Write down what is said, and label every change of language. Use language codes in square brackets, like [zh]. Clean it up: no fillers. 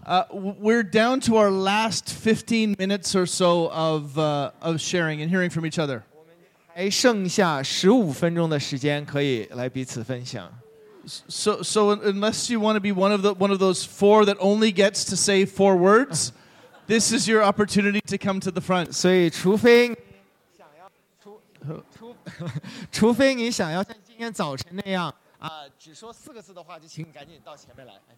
[en] We're down to our last 15 minutes or so of sharing and hearing from each other. [zh] 还剩下15分钟的时间可以来彼此分享。 [en] So unless you want to be one of those four that only gets to say four words, this is your opportunity to come to the front. [zh] 所以除非你想要像今天早晨那样只说四个字的话，就请你赶紧到前面来。